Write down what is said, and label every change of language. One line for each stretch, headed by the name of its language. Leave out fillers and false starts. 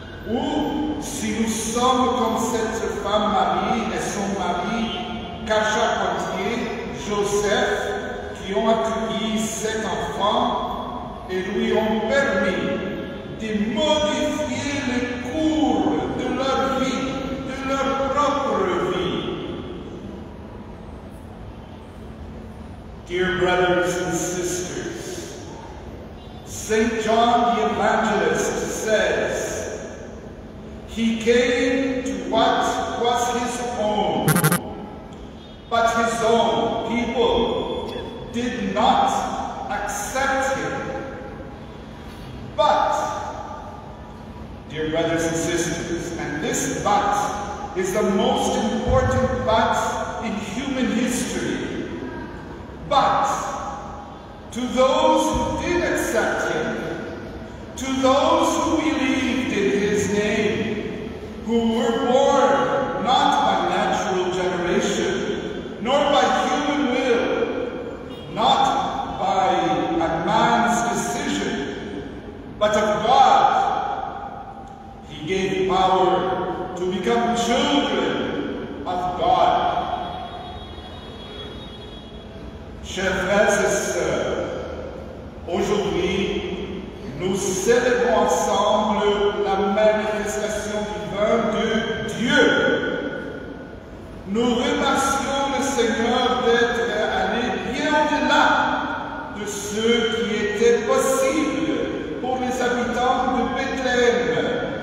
French: hommes comme cette femme Marie et son mari, Cachapotier, Joseph, qui ont accueilli cet enfant et lui ont permis de modifier le cours de leur vie, de leur propre vie.
English: Dear brothers and sisters, Saint John the Evangelist says, he came to what was his own, but his own people did not accept him. But, dear brothers and sisters, and this but is the most important but in human history, but to those who did accept him, to those who believed in his name, who were born not by natural generation, nor by human will, not by a man's decision, but of God, he gave power to become children of God.
French: Chers frères et sœurs, aujourd'hui, nous célébrons ensemble la manifestation divine de Dieu. Nous remercions le Seigneur d'être allé bien au-delà de ce qui était possible pour les habitants de Bethléem.